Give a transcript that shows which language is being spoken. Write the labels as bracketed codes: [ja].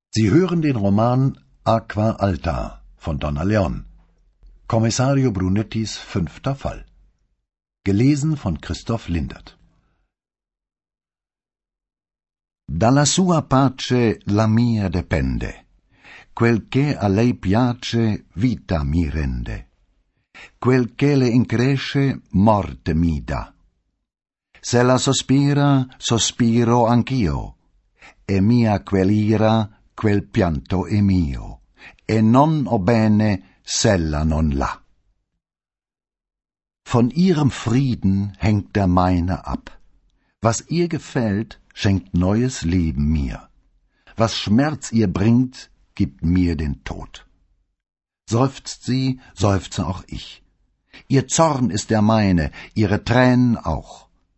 [de] Sie hören den Roman Aqua Alta von Donna Leon. Kommissario Brunettis fünfter Fall. Gelesen von Christoph Lindert. [it] Dalla sua pace la mia depende. Quel che a lei piace, vita mi rende. Quel che le incresce, morte mi dà. Se la sospira, sospiro anch'io. E mia quell'ira, quel pianto è mio. E non ho bene, s'ella non l'ha. [de] Von ihrem Frieden hängt der meine ab. Was ihr gefällt, schenkt neues Leben mir. Was Schmerz ihr bringt, gibt mir den Tod. Seufzt sie, seufze auch ich. Ihr Zorn ist der meine, ihre Tränen auch.